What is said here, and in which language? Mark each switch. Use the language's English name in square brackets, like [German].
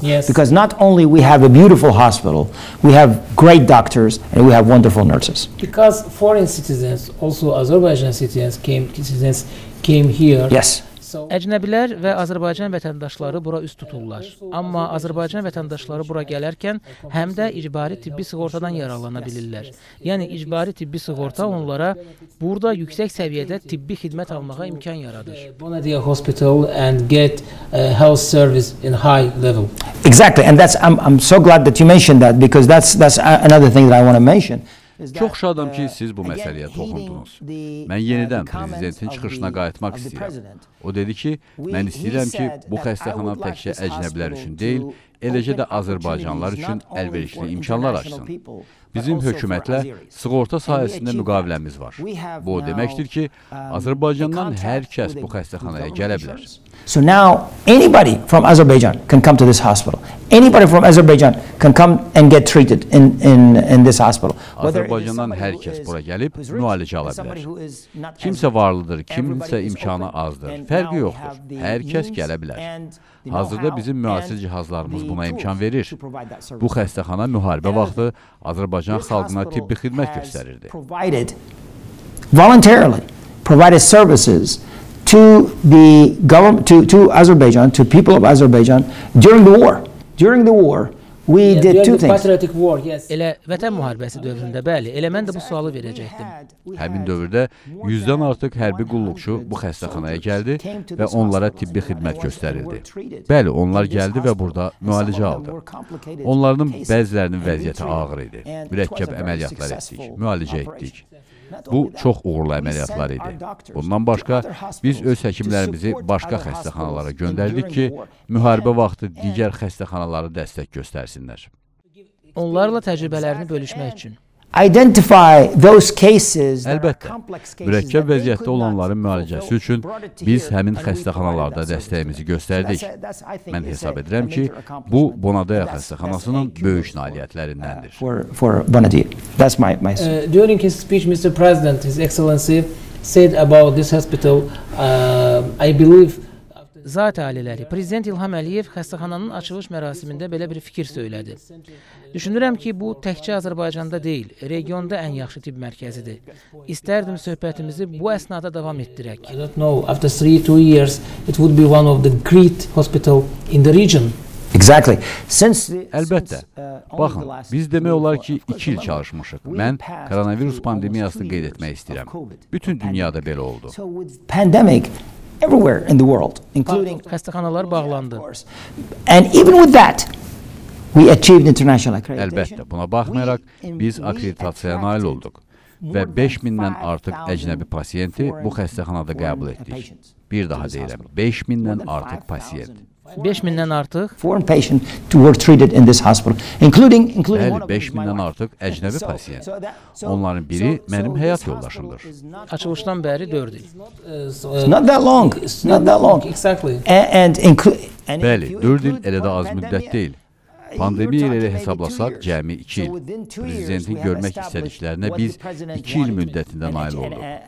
[English] Because not only we have a beautiful hospital, we have great doctors and we have wonderful nurses. Because foreign citizens, also Azerbaijan citizens came here. Yes. [Azerbaijani] Əcnəbilər və Azərbaycan vətəndaşları bura üz tuturlar. Amma Azərbaycan vətəndaşları bura gələrkən həm də icbari tibbi sığortadan yararlana bilirlər. Yəni, icbari tibbi sığorta onlara burada yüksək səviyyədə tibbi xidmət almağa imkan yaradır. [English] Bonadia Hospital and get health service in high level. Exactly, and that's I'm so glad that you mentioned that because that's another thing that I want to mention. [Azerbaijani] Çox şadam ki, siz bu məsələyə toxundunuz. Mən yenidən prezidentin çıxışına qayıtmaq istəyirəm. O dedi ki, mən istəyirəm ki, bu xəstəxana təkcə əcnəbilər üçün deyil, eləcə də Azərbaycanlılar üçün əlverişli imkanlar açsın. Bizim hökumətlə sığorta sahəsində müqaviləmiz var. Bu o deməkdir ki, Azərbaycandan hər kəs bu xəstəxanaya gələ bilər. [English] So now anybody from Azerbaijan can come to this hospital. Anybody from Azerbaijan can come and get treated in this hospital. [Azerbaijani] Azərbaycandan hər kəs bura gəlib müalicə ala bilər. Kimsə varlıdır, kimsə imkanı azdır. Fərqi yoxdur. Hər kəs gələ bilər. Hazırda bizim müasir cihazlarımız buna imkan verir. Bu xəstəxana müharibə vaxtı Azərbaycan xalqına tibbi xidmət göstərirdi. [English] Voluntarily provided services to the government, to Azerbaijan, to people of Azerbaijan during the war. We did two things. Patriotic war, yes. [Azerbaijani] Elə vətən müharibəsi dövründə, bəli, elə mən də bu sualı verəcəkdim. Həmin dövrdə 100-dən artıq hərbi qulluqçu bu xəstəxanaya gəldi və onlara tibbi xidmət göstərildi. Bəli, onlar gəldi və burada müalicə aldı. Onların bəzilərinin vəziyyəti ağır idi. Mürəkkəb əməliyyatlar etdik, müalicə etdik. Bu, çox uğurlu əməliyyatlar idi. Bundan başqa, biz öz həkimlərimizi başqa xəstəxanalara göndərdik ki, müharibə vaxtı digər xəstəxanalara dəstək göstərsinlər. Onlarla təcrübələrini bölüşmək üçün. [English] Identify those cases. [Azerbaijani] Əlbəttə, mürəkkəb vəziyyətdə olanların müalicəsi üçün biz həmin xəstəxanalarda dəstəyimizi göstərdik. Mən hesab edirəm ki, bu Bonadia xəstəxanasının böyük nailiyyətlərindəndir. [English] For Bonadia. That's my During his speech, Mr. President, His Excellency said about this hospital, I believe [Azerbaijani] Zat ailələri, Prezident İlham Əliyev xəstəxananın açılış mərasimində belə bir fikir söylədi. Düşünürəm ki, bu təkcə Azərbaycanda deyil, regionda ən yaxşı tibb mərkəzidir. İstərdim söhbətimizi bu əsnada davam etdirək. [English] I don't know, after 3-2 years, it would be one of the great hospital in the region. Exactly. [Azerbaijani] Əlbəttə. Baxın, biz demək olar ki, 2 il çalışmışıq. Mən koronavirus pandemiyasını qeyd etmək istəyirəm. Bütün dünyada belə oldu. [English] Pandemic everywhere in the world, including [Azerbaijani] xəstəxanalar bağlandı. [English] And even with that, we achieved international accreditation. [Azerbaijani] Əlbəttə, buna baxmayaraq, biz akreditasiyaya nail olduq. [Turkish] ve 5000'den artık ecnebi pasiyenti bu hastanede kabul ettik. [Azerbaijani] Bir daha deyirəm, 5000'den artık pasiyent. [Turkish] 5000'den artık [English] foreign patient to were treated in this hospital including [Azerbaijani] bəli, 5000'den artık əcnəbi pasiyent. Onların biri mənim həyat yoldaşımdır. Açılışdan bəri 4 il. [English] Not that long. Exactly. [Azerbaijani] Bəli, 4 il elə də az müddət deyil. Pandemi ilə elə hesablasaq cəmi 2 il. Prezidentin görmək istədiklərinə biz 2 il müddətində nail olduq.